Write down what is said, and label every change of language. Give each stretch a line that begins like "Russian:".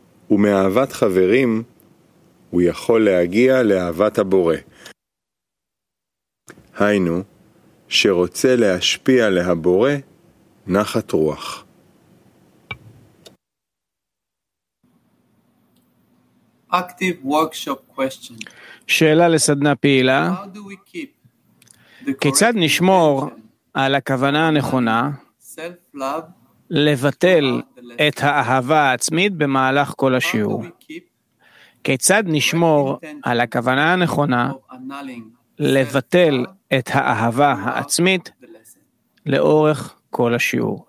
Hebrew: ומאהבת חברים, הוא יכול להגיע לאהבת הבורא. היינו, שרוצה להשפיע להבורא, נחת רוח.
English: Active workshop question.
Hebrew: שאלה לסדנה פעילה. כיצד נשמור על הכוונה הנכונה?
English: Self-love.
Hebrew: לבטל את האהבה העצמית במהלך כל השיעור. כיצד נשמור על הכוונה הנכונה לבטל את האהבה העצמית לאורך כל השיעור?